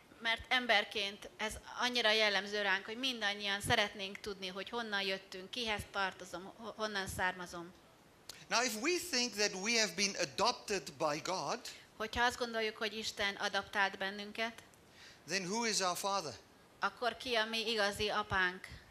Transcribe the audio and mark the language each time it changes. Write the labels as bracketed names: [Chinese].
[Hungarian] Mert emberként ez annyira jellemző ránk, hogy mindannyian szeretnénk tudni, hogy honnan jöttünk, kihez tartozom, honnan származom. [English] Now if we think that we have been adopted by God, [Hungarian] hogyha azt gondoljuk, hogy Isten adaptált bennünket, [English] then who is our father? [Hungarian] Akkor ki a mi igazi apánk?